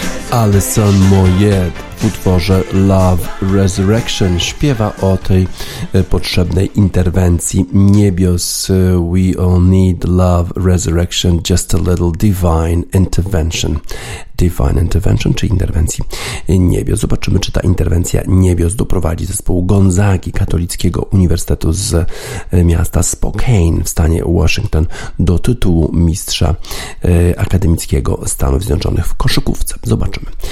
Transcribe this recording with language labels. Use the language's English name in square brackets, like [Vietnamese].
[Polish] Alison Moyet w utworze Love Resurrection śpiewa o tej potrzebnej interwencji niebios. [English] We all need love resurrection, just a little divine intervention. Divine intervention, [Polish] czy interwencji niebios. Zobaczymy, czy ta interwencja niebios doprowadzi zespół Gonzagi Katolickiego Uniwersytetu z miasta Spokane w stanie Washington do tytułu mistrza akademickiego Stanów Zjednoczonych w koszykówce. Zobaczymy.